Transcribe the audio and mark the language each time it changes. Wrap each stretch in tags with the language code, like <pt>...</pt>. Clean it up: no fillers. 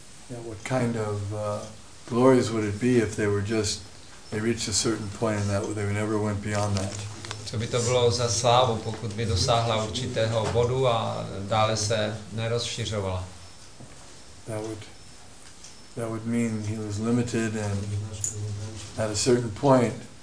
<en>What kind of glories would it be if they were just they reached a certain point and that they never went beyond that.</en> <cs>Co by to bylo za slávu, pokud by dosáhla určitého bodu a dále se nerozšiřovala?</cs> <en>That would mean he was limited and at a certain point</en>